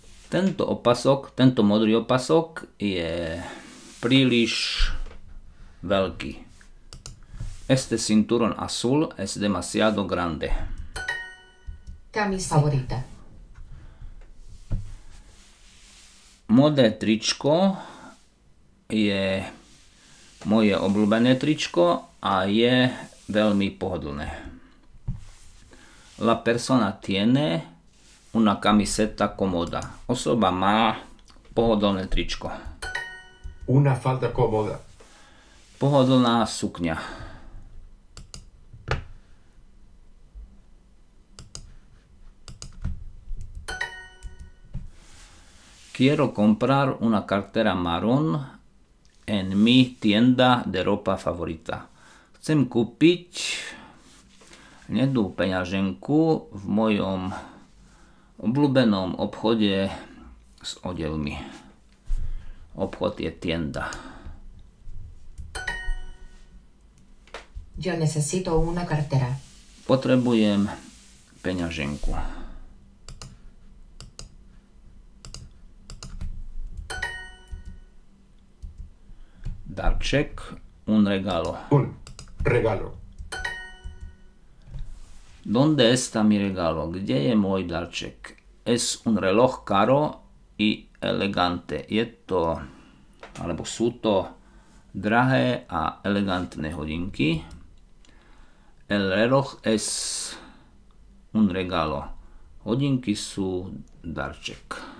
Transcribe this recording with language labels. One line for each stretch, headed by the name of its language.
Slovak: Tento opasok, tento modrý opasok je príliš veľký.
Spanish: Este cinturón azul es demasiado grande. Camisa favorita.
Slovak: Modré tričko je moje obľúbené tričko a je veľmi pohodlné.
Spanish: La persona tiene una camiseta cómoda.
Slovak: Osoba má pohodlné tričko.
Spanish: Una falda cómoda.
Slovak: Pohodlná sukňa.
Spanish: Quiero comprar una cartera marrón en mi tienda de ropa favorita.
Slovak: Chcem kúpiť hnedú peňaženku v mojom obľúbenom obchode s odevmi. Obchod je tienda.
Spanish: Yo necesito una cartera.
Slovak: Potrebujem peňaženku. Darček, un regalo.
Spanish: Un regalo. ¿Dónde está mi regalo? ¿Kde je môj darček? Es un reloj caro y elegante.
Slovak: Je to, alebo sú to drahé a elegantné hodinky.
Spanish: El reloj es un regalo.
Slovak: Hodinky sú darček.